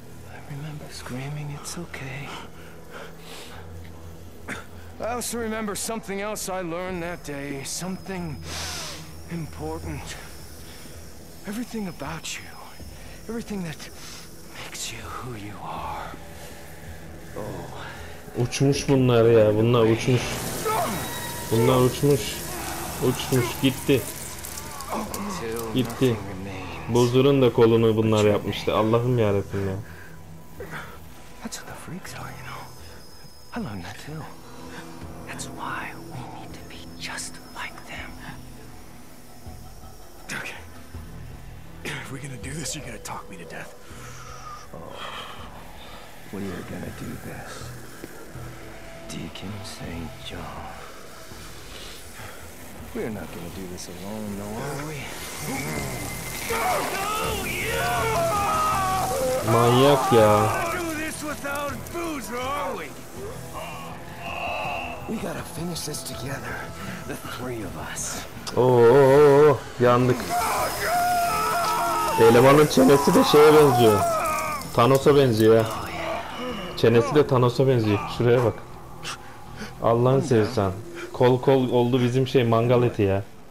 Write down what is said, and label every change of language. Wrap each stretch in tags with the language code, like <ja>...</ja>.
<en>I remember screaming, "It's okay." I also remember something else I learned that day. Something important. Everything about you, everything that makes you who you are. Oh,</en> <tr>uçmuş bunlar ya, bunlar uçmuş. Bunlar uçmuş. Uçmuş, gitti. Gitti. Bozdur'un da kolunu bunlar yapmıştı. Allah'ım ya Rabbim ya.</tr> <en>That's what the freaks are, you know. I learned that too. That's why we need to be just like them. Okay. If we're gonna do this, you're gonna talk me to death. Oh, we are gonna do this. Deacon St. John. We're not gonna do this alone, no, are we? No,</en> <tr>Manyak ya.</tr> <en>Do this without Boozer, are we? We gotta finish this together, the three of us.</en> <tr>Oh, yandık. Elemanın çenesi de şeye benziyor. Thanos'a benziyor ya. Çenesi de Thanos'a benziyor. Şuraya bak. Allah'ını seversen. Kol kol oldu bizim şey, mangal eti ya.</tr>